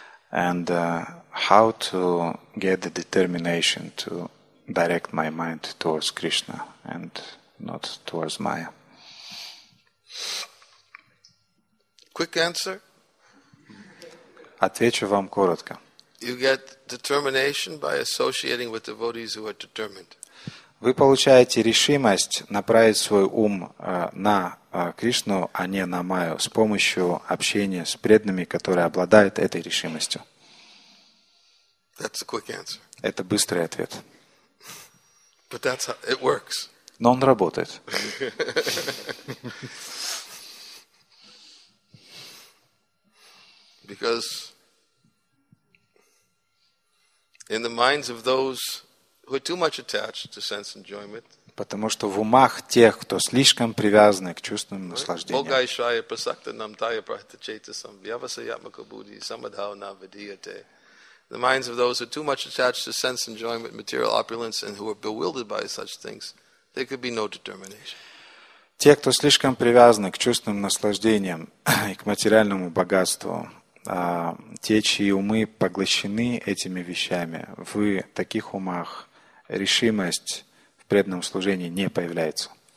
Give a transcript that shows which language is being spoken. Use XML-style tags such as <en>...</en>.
<en>And how to get the determination to direct my mind towards Krishna and not towards Maya? Quick answer.</en> <ru>Отвечу вам коротко.</ru> <en>You get determination by associating with devotees who are determined.</en> <ru>Вы получаете решимость направить свой ум на Кришну, а не на Майю, с помощью общения с преданными, которые обладают этой решимостью.</ru> <en>That's a quick answer.</en> <ru>Это быстрый ответ.</ru> <en>But that's how it works.</en> <ru>Но он работает.</ru> <en>Because in the minds of those who are too much attached to sense enjoyment.</en> <ru>Потому что в умах тех, кто слишком привязаны к чувствам наслаждения.</ru> <sa>Богай шая прасакта нам тая прахта чейтасам вьявасаятмака будхи самадхау навидиете.</sa> <en>The minds of those who are too much attached to sense enjoyment, material opulence, and who are bewildered by such things, there could be no determination.</en> <ru>Те, кто слишком привязаны к чувствам наслаждениям и к материальному богатству, те, чьи умы поглощены этими вещами, в таких умах решимость в преданном служении не появляется.</ru>